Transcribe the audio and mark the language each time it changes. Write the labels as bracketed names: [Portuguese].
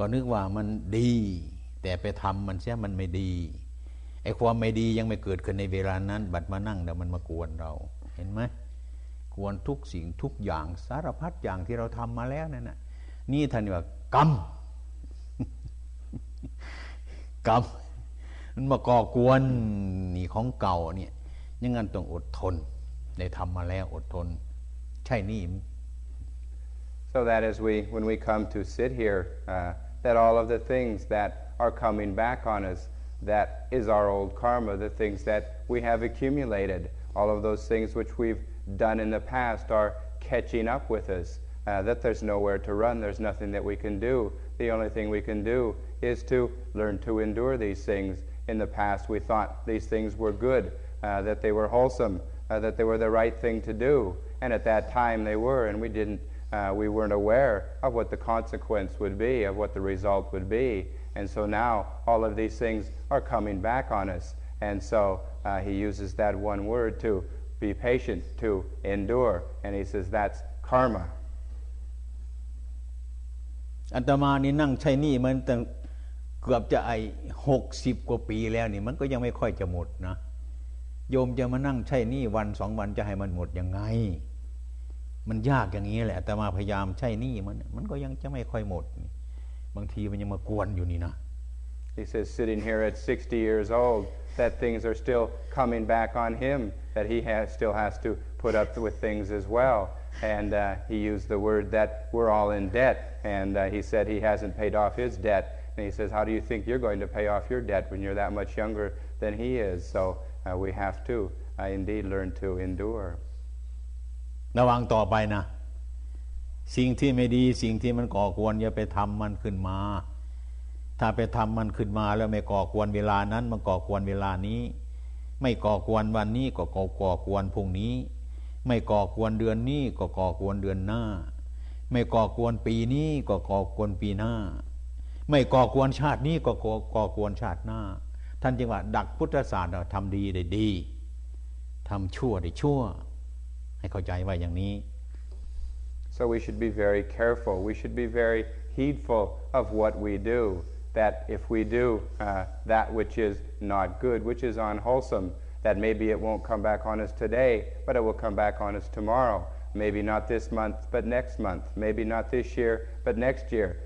[Thai] ก็นึกว่ามันดีแต่ไปทำมันเสียมันไม่ดีไอ้ความไม่ดียังไม่เกิดขึ้นในเวลานั้นบัดมานั่งเดี๋ยวมันมากวนเราเห็นไหมกวนทุกสิ่งทุกอย่างสารพัดอย่างที่เราทำมาแล้วนั่นน่ะนี่ท่านว่ากรรมกรรมมันมาก่อกวนนี่ของเก่าเนี่ยยังงั้นต้องอดทนได้ทำมาแล้วอดทนใช่นี่ [English] So that as we when we come to sit here that all of the things that are coming back on usThat is our old karma, the things that we have accumulated. All of those things which we've done in the past are catching up with us. That there's nowhere to run, there's nothing that we can do. The only thing we can do is to learn to endure these things. In the past we thought these things were good, that they were wholesome, that they were the right thing to do. And at that time they were, and we weren't aware of what the consequence would be, of what the result would be. And so now all of these things are coming back on us. And so he uses that one word to be patient, to endure. And he says that's karma. [Thai] อาตมานี่นั่งใช้นี่มันตั้งเกือบจะไอ60กว่าปีแล้วนี่มันก็ยังไม่ค่อยจะหมดนะโยมจะมานั่งใช้นี่วัน2วันจะให้มันหมดยังไงมันยากอย่างนี้แหละอาตมาพยายามใช้นี่มันก็ยังจะไม่ค่อยหมดบางทีมันยังมากวนอยู่นี่นะ [English] He says sitting here at 60 years old that things are still coming back on him that he still has to put up with things as well and he used the word that we're all in debt and he said he hasn't paid off his debt and he says how do you think you're going to pay off your debt when you're that much younger than he is so we have to indeed learn to endure [Thai] ระวังต่อไปนะสิ่งที่ไม่ดีสิ่งที่มันก่อกวนอย่าไปทำมันขึ้นมาถ้าไปทำมันขึ้นมาแล้วไม่ก่อกวนเวลานั้นมันก่อกวนเวลานี้ไม่ก่อกวนวันนี้ก็ก่อกวนพรุ่งนี้ไม่ก่อกวนเดือนนี้ก็ก่อกวนเดือนหน้าไม่ก่อกวนปีนี้ก็ก่อกวนปีหน้า ไม่ก่อกวนชาตินี้ก็ก่อกวนชาติหน้าท่านจึงว่าดักพุทธศาสนาทำดีได้ดีทำชั่วได้ชั่วให้เข้าใจว่าอย่างนี้ [English] So we should be very careful. We should be very heedful of what we do. That if we do that which is not good, which is unwholesome, that maybe it won't come back on us today, but it will come back on us tomorrow. Maybe not this month, but next month. Maybe not this year, but next year.